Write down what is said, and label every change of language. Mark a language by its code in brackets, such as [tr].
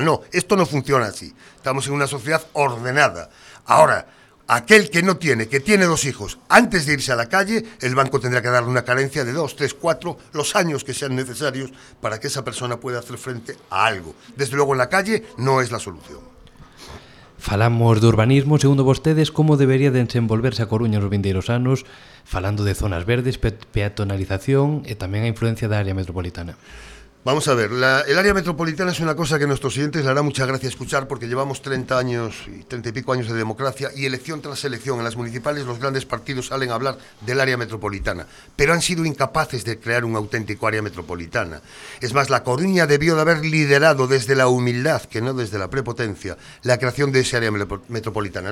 [es] No, esto no funciona así. Estamos en una sociedad ordenada. Ahora, aquel que no tiene, que tiene 2 hijos, antes de irse a la calle, el banco tendrá que darle una carencia de 2, 3, 4, los años que sean necesarios para que esa persona pueda hacer frente a algo. Desde luego, en la calle no es la solución. [gl] Falamos de urbanismo. Segundo vostedes, como debería desenvolverse a Coruña nos vindeiros anos, falando de zonas verdes, peatonalización e tamén a influencia da área metropolitana? [es] Vamos a ver, el área metropolitana es una cosa que a nuestros oyentes le hará mucha gracia escuchar porque llevamos 30 años y 30 y pico años de democracia y elección tras elección en las municipales los grandes partidos salen a hablar del área metropolitana, pero han sido incapaces de crear un auténtico área metropolitana. Es más, La Coruña debió de haber liderado desde la humildad, que no desde la prepotencia, la creación de ese área metropolitana.